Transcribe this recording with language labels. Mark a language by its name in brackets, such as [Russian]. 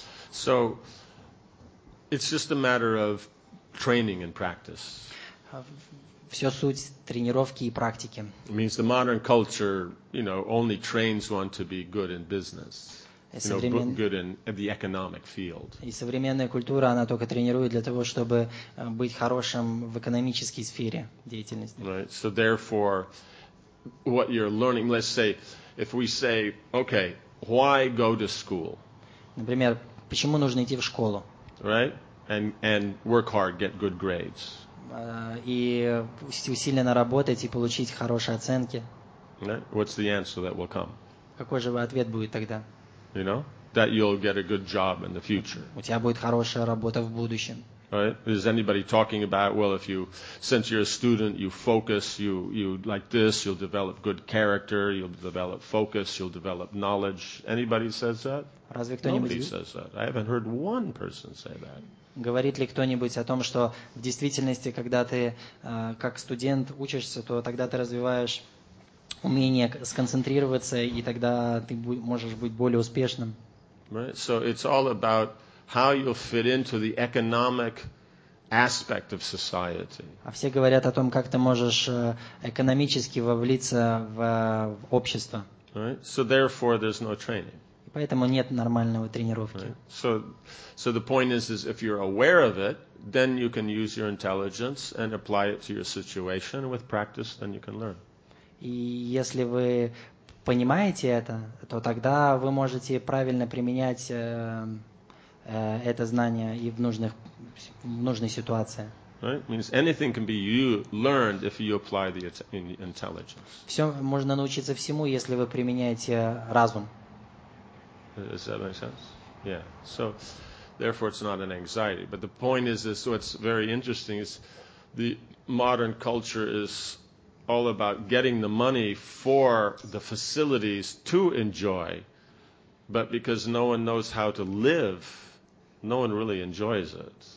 [English] So, it's just a matter of training and practice. [Russian] Все суть тренировки и практики. [English] It means the modern culture, you know, only trains one to be good in business. [Russian] И современная культура, она только тренирует для того, чтобы быть хорошим в экономической сфере деятельности. [English] Right. So therefore, what you're learning, let's say, if we say, okay, why go to school? [Russian] Например, почему нужно идти в школу? [English] Right. And work hard, get good grades. [Russian] И усиленно работать и получить хорошие оценки. [English] Right. What's the answer that will come? [Russian] Какой же ответ будет тогда? [English] You know, that you'll get a good job in the future. [Russian] У тебя будет хорошая работа в будущем. [English] Right? Is anybody talking about, well, if you, since you're a student, you focus, you like this, you'll develop good character, you'll develop focus, you'll develop knowledge. Anybody says that? [Russian] Разве кто-нибудь? [English] Nobody says that. I haven't heard one person say that. [Russian] Говорит ли кто-нибудь о том, что в действительности, когда ты как студент учишься, то тогда ты развиваешь умение сконцентрироваться, и тогда ты можешь быть более успешным. [English] Right. So it's all about how you fit into the economic aspect of society. [Russian] А все говорят о том, как ты можешь экономически вовлиться в общество. [English] Right. So therefore there's no training. [Russian] И поэтому нет нормального тренировки. [English] Right. So the point is if you're aware of it, then you can use your intelligence and apply it to your situation, and with practice then you can learn. [Russian] И если вы понимаете это, то тогда вы можете правильно применять это знание и в нужной ситуации. [English] Right? Means anything can be learned if you apply the intelligence. [Russian] Все можно научиться всему, если вы применяете разум. [English] Does that make sense? Yeah. So, therefore, it's not an anxiety. But the point is this: what's very interesting is the modern culture is all about getting the money for the facilities to enjoy, but because no one knows how to live, no one really enjoys it.